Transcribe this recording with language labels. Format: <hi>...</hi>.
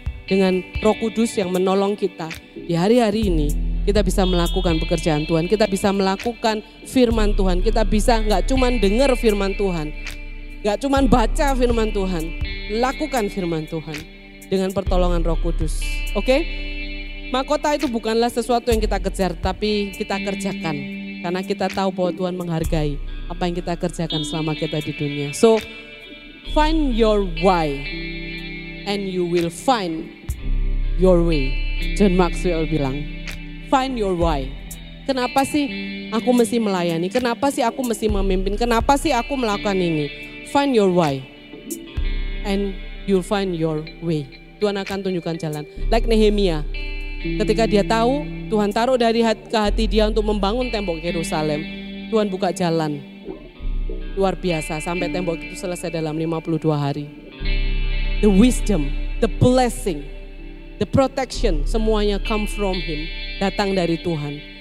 <id>Dengan Roh Kudus yang menolong kita di hari-hari ini, kita bisa melakukan pekerjaan Tuhan, kita bisa melakukan firman Tuhan, kita bisa gak cuma dengar firman Tuhan, gak cuma baca firman Tuhan, lakukan firman Tuhan dengan pertolongan Roh Kudus. Oke? Mahkota itu bukanlah sesuatu yang kita kejar, tapi kita kerjakan. Karena kita tahu bahwa Tuhan menghargai apa yang kita kerjakan selama kita di dunia.</id> <en>So, find your why and you will find your way.</en> <id>John Maxwell bilang,</id> <en>find your why.</en> <id>Kenapa sih aku mesti melayani? Kenapa sih aku mesti memimpin? Kenapa sih aku melakukan ini?</id> <en>Find your why and you'll find your way.</en> <id>Tuhan akan tunjukkan jalan. Like Nehemia, ketika dia tahu Tuhan taruh dari ke hati dia untuk membangun tembok Yerusalem, Tuhan buka jalan. Luar biasa, sampai tembok itu selesai dalam 52 hari.</id> <en>The wisdom, the blessing, the protection,</en> <id>semuanya</id> <en>come from Him,</en> <id>datang dari Tuhan.</id>